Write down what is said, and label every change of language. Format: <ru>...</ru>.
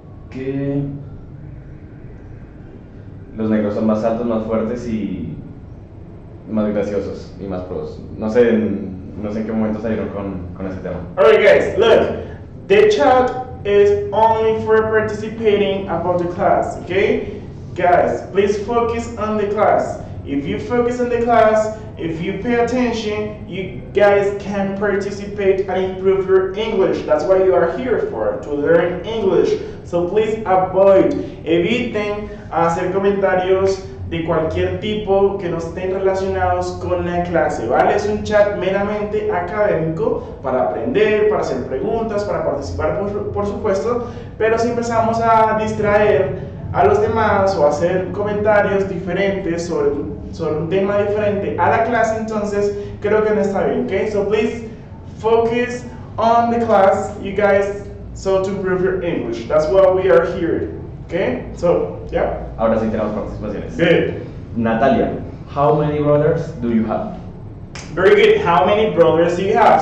<es>Que los negros son más altos, más fuertes y más graciosos y más pros. No sé en qué momento salieron con ese tema.</es> <en>Alright, guys, look. The chat is only for participating about the class, okay? Guys, please focus on the class. If you focus on the class, if you pay attention, you guys can participate and improve your English. That's what you are here for, to learn English. So please avoid,</en> <es>eviten hacer comentarios de cualquier tipo que no estén relacionados con la clase, ¿vale? Es un chat meramente académico para aprender, para hacer preguntas, para participar, por supuesto. Pero si empezamos a distraer a los demás o hacer comentarios diferentes sobre un tema diferente a la clase, entonces creo que no está bien, okay?</es> <en>So please focus on the class, you guys, so to improve your English. That's why we are here, okay? So, yeah.</en> <es>Ahora sí tenemos participaciones.</es> <en>Good. Natalia, how many brothers do you have? Very good. How many brothers do you have?</en>